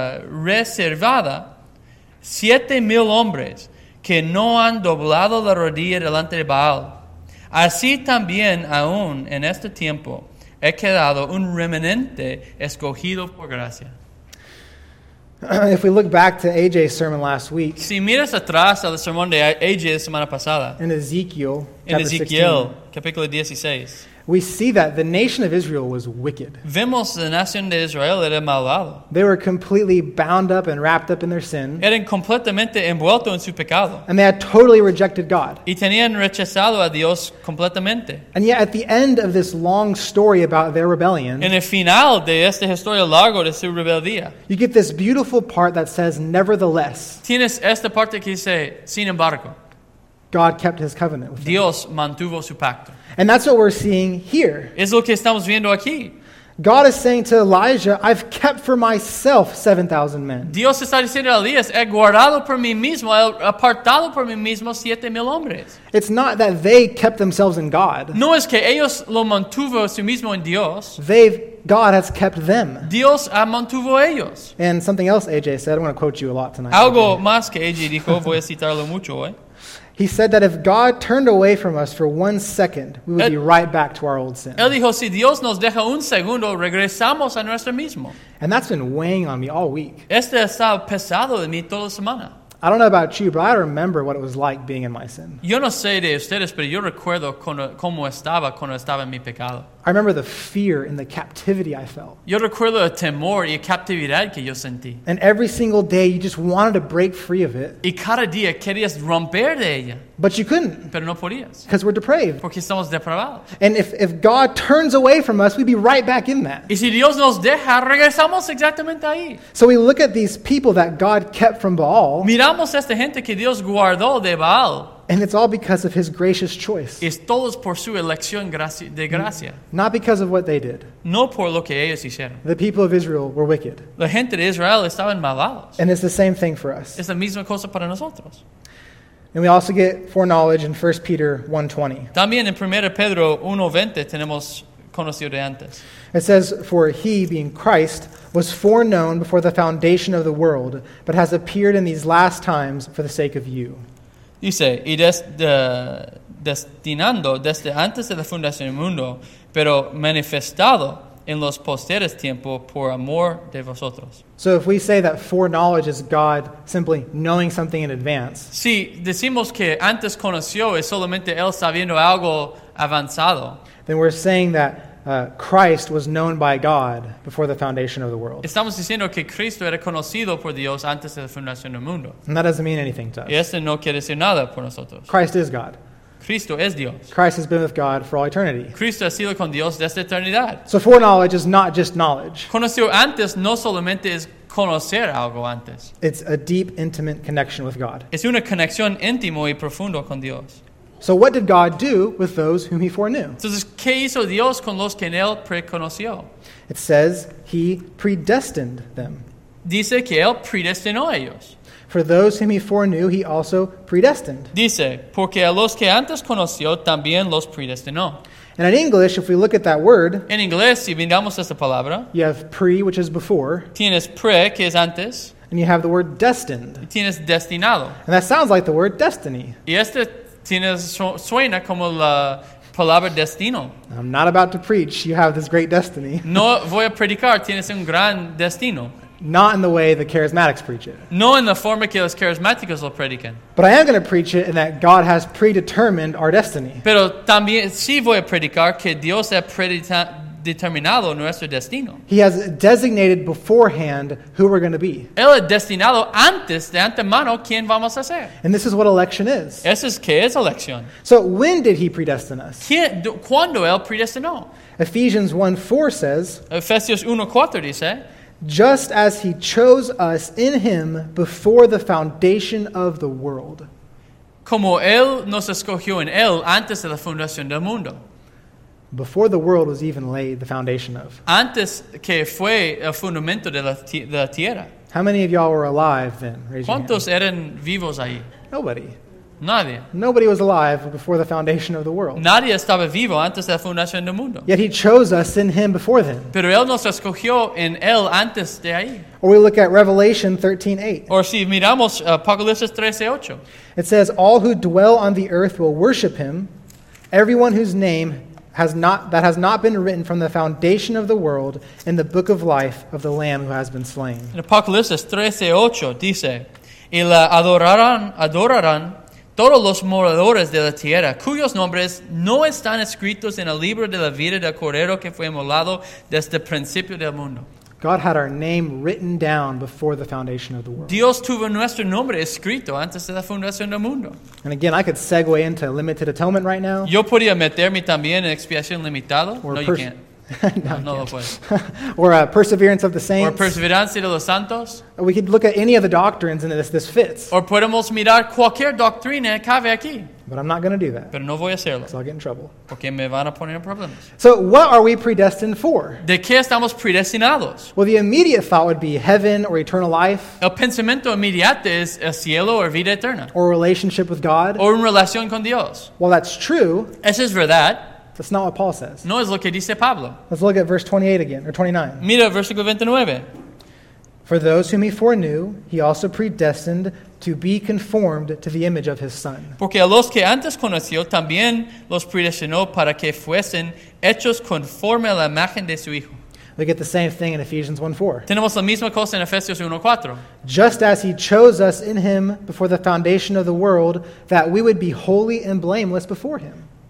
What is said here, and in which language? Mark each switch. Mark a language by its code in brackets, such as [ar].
[es] Reservada 7,000 hombres que no han doblado la rodilla delante de Baal. Así también aún en este tiempo he quedado un remanente escogido por gracia. [en] If we look back to AJ's sermon last week, [es] si miras atrás al sermón de AJ la semana pasada, en Ezequiel, capítulo 16, [en] we see that the nation of Israel was wicked. [es] Vemos la nación de Israel era malvado. [en] They were completely bound up and wrapped up in their sin. [es] Eran completamente envuelto en su pecado. [en] And they had totally rejected God. [es] Y tenían rechazado a Dios completamente. [en] And yet at the end of this long story about their rebellion, [es] en el final de esta historia largo de su rebeldía, [en] you get this beautiful part that says, nevertheless, [es] tienes esta parte que dice, sin embargo, [en] God kept his covenant with [es] Dios [en] them. [es] Mantuvo su pacto. [en] And that's what we're seeing here. [es] Es lo que estamos viendo aquí. [en] God is saying to Elijah, I've kept for myself 7,000 men. [es] Dios está diciendo a Elías, he guardado por mí mismo, he apartado por mí mismo 7,000 hombres. [en] It's not that they kept themselves in God. [es] No es que ellos lo mantuvo a sí mismo en Dios. [en] God has kept them. [es] Dios ha mantuvo ellos. [en] And something else AJ said, I'm going to quote you a lot tonight. [es] Algo AJ. Más que AJ dijo, voy a citarlo mucho hoy. [en] He said that if God turned away from us for one second, we would be right back to our old sin. [es] Él dijo, si Dios nos deja un segundo, regresamos a nuestro mismo. [en] And that's been weighing on me all week. [es] Este ha estado pesado en mí toda la semana. [en] I don't know about you, but I remember what it was like being in my sin. [es] Yo no sé de ustedes, pero yo recuerdo cómo estaba cuando estaba en mi pecado. [en] I remember the fear and the captivity I felt. [es] Yo recuerdo el temor y captividad que yo sentí. [en] And every single day, you just wanted to break free of it. [es] Y cada día querías romper de ella. [en] But you couldn't. [es] Pero no podías. [en] Because we're depraved. [es] Porque somos depravados. [en] And if God turns away from us, we'd be right back in that. [es] Y si Dios nos deja, regresamos exactamente ahí. [en] So we look at these people that God kept from Baal. [es] Miramos a esta gente que Dios guardó de Baal. [en] And it's all because of his gracious choice. [es] Es todo por su elección de gracia. [en] Not because of what they did. [es] No por lo que ellos hicieron. [en] The people of Israel were wicked. [es] La gente de Israel estaban malvados. [en] And it's the same thing for us. [es] Es la misma cosa para nosotros. [en] And we also get foreknowledge in 1 Peter 1:20. [es] También en 1 Pedro 1:20 tenemos conocido de antes. [en] It says, "For he, being Christ, was foreknown before the foundation of the world, but has appeared in these last times for the sake of you." [es] Dice, y destinando desde antes de la fundación del mundo, pero manifestado en los posteriores tiempos por amor de vosotros. [en] So if we say that foreknowledge is God simply knowing something in advance. [es] Si decimos que antes conoció es solamente él sabiendo algo avanzado. [en] Then we're saying that Christ was known by God before the foundation of the world. [es] Estamos diciendo que Cristo era conocido por Dios antes de la fundación del mundo. [en] And that doesn't mean anything to us. [es] Y eso no quiere decir nada por nosotros. [en] Christ is God. [es] Cristo es Dios. [en] Christ has been with God for all eternity. [es] Cristo ha sido con Dios desde eternidad. [en] So foreknowledge is not just knowledge. [es] Conocido antes no solamente es conocer algo antes. [en] It's a deep, intimate connection with God. [es] Es una conexión íntimo y profundo con Dios. [en] So what did God do with those whom he foreknew? [es] Entonces, ¿qué hizo Dios con los que él preconoció? [en] It says he predestined them. [es] Dice que él predestinó a ellos. [en] For those whom he foreknew, he also predestined. [es] Dice, porque a los que antes conoció, también los predestinó. [en] And in English, if we look at that word, [es] en inglés, si miramos esta palabra, [en] you have pre, which is before. [es] Tienes pre, que es antes. [en] And you have the word destined. [es] Tienes destinado. [en] And that sounds like the word destiny. [es] Y este suena como la palabra destino. [en] I'm not about to preach. You have this great destiny. [es] No voy a predicar. Tienes un gran destino. [en] Not in the way the charismatics preach it. [es] No en la forma que los carismáticos lo predican. [en] But I am going to preach it in that God has predetermined our destiny. [es] Pero también sí voy a predicar que Dios ha predeterminado nuestro destino. [en] He has designated beforehand who we're going to be. [es] Él ha destinado antes, de antemano, quién vamos a ser. [en] And this is what election is. [es] Eso es que es elección. [en] So when did he predestine us? [es] ¿Cuándo él predestinó? [en] Ephesians 1:4 says, [es] Efesios 1:4 dice, [en] just as he chose us in him before the foundation of the world. [es] Como él nos escogió en él antes de la fundación del mundo. [en] Before the world was even laid, the foundation of. [es] Antes que fue el fundamento de la tierra. [en] How many of y'all were alive then? Raise [es] ¿Cuántos [en] your hand. [es] Eran vivos ahí? [en] Nobody. [es] Nadie. [en] Nobody was alive before the foundation of the world. [es] Nadie estaba vivo antes de la fundación del mundo. [en] Yet he chose us in him before then. [es] Pero él nos escogió en él antes de ahí. [en] Or we look at Revelation 13:8. Or [es] si miramos Apocalipsis 13:8. [en] It says, all who dwell on the earth will worship him, everyone whose name has not been written from the foundation of the world in the book of life of the Lamb who has been slain. [es] En Apocalipsis 13:8 dice, y la adorarán todos los moradores de la tierra, cuyos nombres no están escritos en el libro de la vida del Cordero que fue inmolado desde el principio del mundo. [en] God had our name written down before the foundation of the world. [es] Dios tuvo nuestro nombre escrito antes de la fundación del mundo. [en] And again, I could segue into limited atonement right now. [es] Yo podría meterme también en expiación limitada. [en] No, you can't. [es] No, no lo puedes. [en] Or a perseverance of the saints. Or [es] perseverancia de los santos. [en] We could look at any of the doctrines and this fits. Or [es] podemos mirar cualquier doctrina que cabe aquí. [en] But I'm not going to do that. [es] Pero no voy a hacerlo. [en] Because I'll get in trouble. [es] Porque me van a poner problemas. [en] So what are we predestined for? [es] ¿De qué estamos predestinados? [en] Well, the immediate thought would be heaven or eternal life. [es] El pensamiento inmediato es el cielo o vida eterna. [en] Or a relationship with God. [es] O una relación con Dios. [en] Well, that's true. [es] Eso es verdad. [en] That's not what Paul says. [es] No es lo que dice Pablo. [en] Let's look at verse 28 again, or 29. [es] Mira el versículo 29. [en] For those whom he foreknew, he also predestined to be conformed to the image of his Son. [es] Porque a los que antes conoció, también los predestinó para que fuesen hechos conforme a la imagen de su Hijo. [en] We get the same thing in Ephesians 1:4. [es] Tenemos la misma cosa en Efesios 1:4. [en] Just as he chose us in him before the foundation of the world, that we would be holy and blameless before him.